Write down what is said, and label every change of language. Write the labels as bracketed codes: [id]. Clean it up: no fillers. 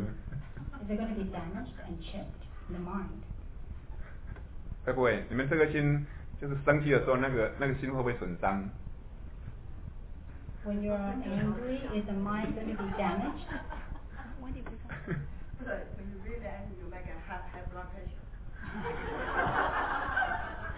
[en] ？Is it going to be damaged and chipped in the mind? [zh] 会不会你们这个心就是生气的时候，那个心会不会损伤 [en] ？When you're angry, is the mind going to be damaged? [zh] 问题不是。 [en] When you really angry, you might get high blood pressure.